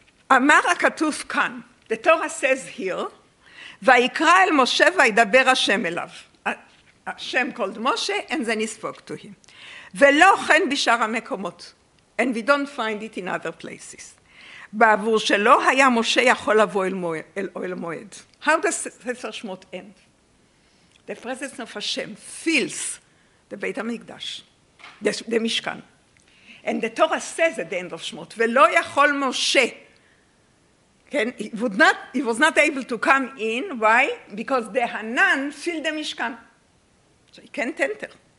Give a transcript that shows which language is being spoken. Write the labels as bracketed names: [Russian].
[Hebrew] Amar HaKatuf Kan, [English] the Torah says here, [Hebrew] Vayikra el Moshe vayidaber Hashem elav. [English] Hashem called Moshe and then he spoke to him. [Hebrew] Velo chen bishar hamekomot. [English] And we don't find it in other places. [Hebrew] בעבור שלא היה משה יכול לבוא אל אוהל מועד. [English] How does ספר שמות end? The presence of Hashem fills the בית המקדש, the משכן. And the Torah says at the end of שמות, [Hebrew] ולא יכול משה. [English] כן? He was not able to come in. Why? Because the הנן filled the משכן. So he can't enter.